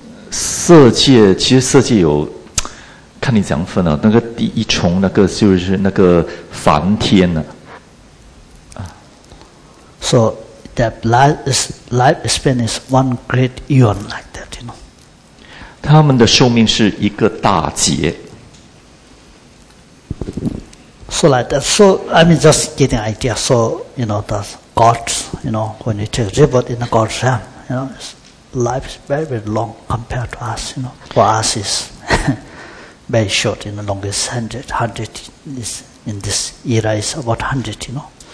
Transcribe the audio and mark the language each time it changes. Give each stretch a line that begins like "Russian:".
Chinese: 色界其实色界有看你怎样分啊，那个第一重那个就是那个梵天啊。
English: So that lifespan is one great eon like that, you know.
Chinese: 他们的寿命是一个大劫。
English: So like that. So I mean, just getting idea. So you know, the God, you know, when you take rebirth in the God's realm, you know, life is very, very long compared to us. You know, for us is, very short, in the longest 100. 100 in this era is about 100, you know.